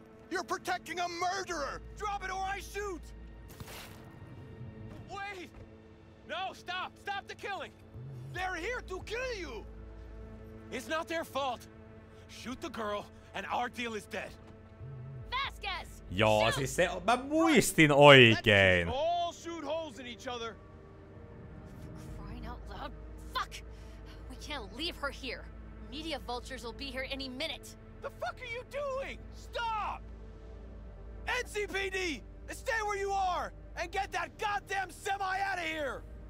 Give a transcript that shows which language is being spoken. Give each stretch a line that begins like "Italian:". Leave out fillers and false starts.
English: You're protecting a murderer! Drop it or I shoot! Wait! No, stop! Stop the killing! They're here to kill you! It's not their fault. Shoot the girl, and our deal is dead. Vasquez!
Finnish: Joo, siis se, mä muistin oikein.
English: Let's all shoot holes in each other. Crying out loud? Fuck! We can't leave her here. Media vultures will be here any minute. The fuck are you doing? Stop! NCPD! Stay where you are, and get that goddamn semi out of here!